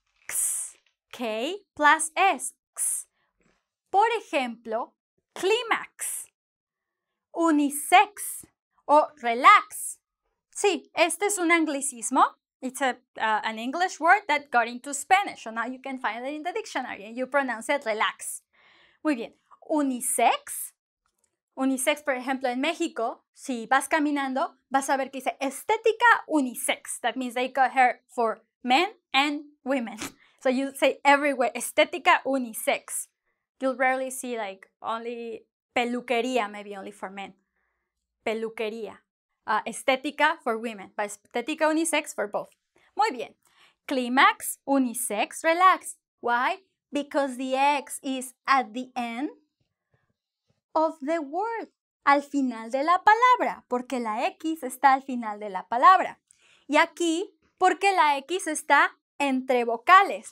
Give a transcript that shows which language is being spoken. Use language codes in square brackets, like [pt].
[es] X, K plus S, X. Por ejemplo, climax, unisex, o relax. Sí, este es un anglicismo. [en] It's an English word that got into Spanish. So now you can find it in the dictionary and you pronounce it relax. [es] Muy bien. Unisex. Unisex, por ejemplo, en México, si vas caminando, vas a ver que dice estética unisex. [en] That means they got hair for men and women. So you say everywhere, estética unisex. You'll rarely see like only peluquería, maybe only for men. Peluquería. Estética for women, but estética unisex for both. [es] Muy bien. [en] Climax, unisex, relax. Why? Because the X is at the end of the word. [es] Al final de la palabra. Porque la X está al final de la palabra. Y aquí, porque la X está entre vocales.